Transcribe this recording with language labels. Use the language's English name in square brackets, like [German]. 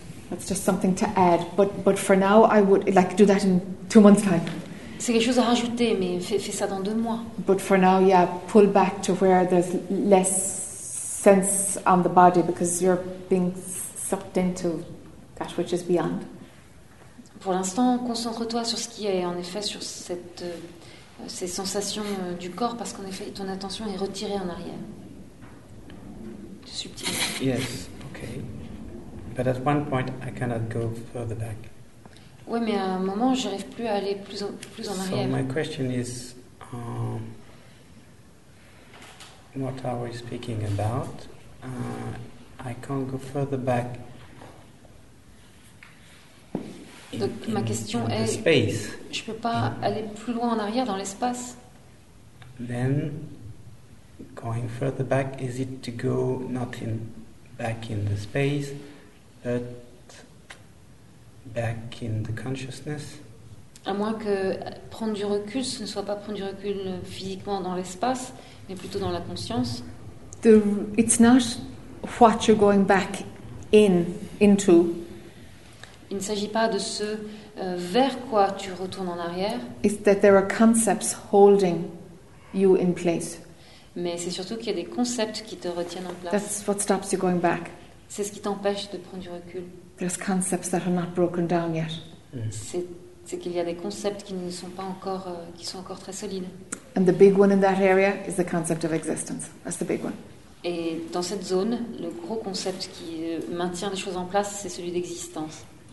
[English] That's just something to add, but for now I would like do that in 2 months' time. [French] C'est quelque chose à rajouter, mais fais ça dans 2 mois. [English] But for now, yeah, pull back to where there's less sense on the body because you're being sucked into that which is beyond. [French] Pour l'instant, concentre-toi sur ce qui est en effet sur ces sensations du corps parce qu'en effet, ton attention est retirée en arrière. Subtil. [English] Yes. Okay. But at one point, I cannot go further back. [French] Ouais, mais à un moment, j'arrive plus à aller plus en arrière. [English] So my question is, what are we speaking about? I can't go further back. [French] Donc ma question est, je peux pas aller plus loin en arrière dans l'espace. [English] Then, going further back, is it to go not in back in the space? But back in the consciousness. [French] À moins que prendre du recul, ce ne soit pas prendre du recul physiquement dans l'espace, mais plutôt dans la conscience. [English] It's not what you're going back into. [French] Il ne s'agit pas de ce vers quoi tu retournes en arrière. [English] It's that there are concepts holding you in place. [French] Mais c'est surtout qu'il y a des concepts qui te retiennent en place. [English] That's what stops you going back. [French] C'est ce qui t'empêche de prendre du recul. [English] There's concepts that are not broken down yet. [French] C'est qu'il y a des concepts qui ne sont pas encore qui sont encore très solides. [English] And the big one in that area is the concept of existence. That's the big one. [French] Et dans cette zone, le gros concept qui maintient les choses en place, c'est celui d'existence.